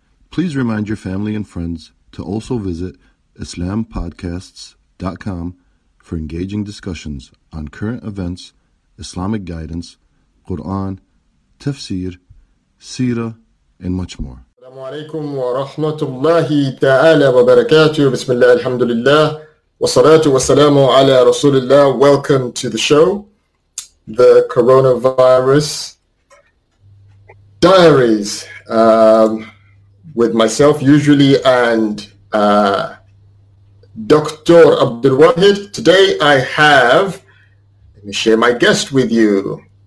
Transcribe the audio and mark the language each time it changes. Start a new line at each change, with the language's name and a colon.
English: Please remind your family and friends to also visit IslamPodcasts.com for engaging discussions on current events, Islamic guidance, Quran, tafsir, seerah, and much more.
Arabic: السلام عليكم ورحمة الله تعالى وبركاته بسم الله الحمد لله والصلاة والسلام على رسول الله.
English: Welcome to the show. The coronavirus diaries with myself usually and Dr. Abdul Wahid. Today I have, let me share my guest with you.